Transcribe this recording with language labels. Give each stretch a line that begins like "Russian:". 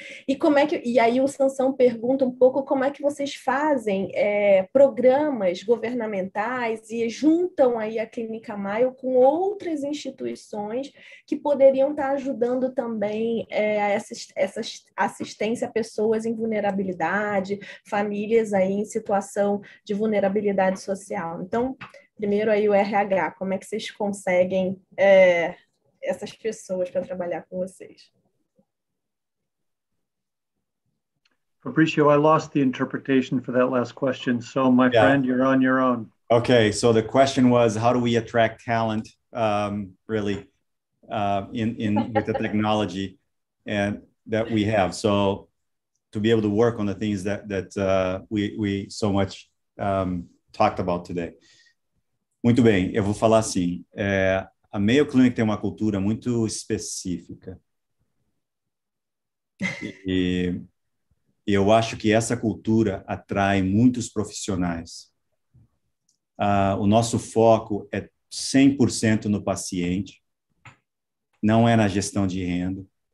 Portuguese: E aí o Sansão pergunta um pouco como é que vocês fazem programas governamentais e juntam aí a Clínica Mayo com outras instituições que poderiam estar ajudando também essa assistência a pessoas em vulnerabilidade, famílias aí em situação de vulnerabilidade social. Então, primeiro aí o RH, como é que vocês conseguem essas pessoas para trabalhar com vocês?
English: Fabricio, I lost the interpretation for that last question, so my friend, you're on your own. Okay, so the question was, how do we attract talent, really, in with the technology and that we have? So to be able to work on the things that we so much talked about today.
Portuguese: Muito bem, eu vou falar assim. A Mayo Clinic tem uma cultura muito específica. E eu acho que essa cultura atrai muitos profissionais. O nosso foco é 100% no paciente, não é na gestão de renda.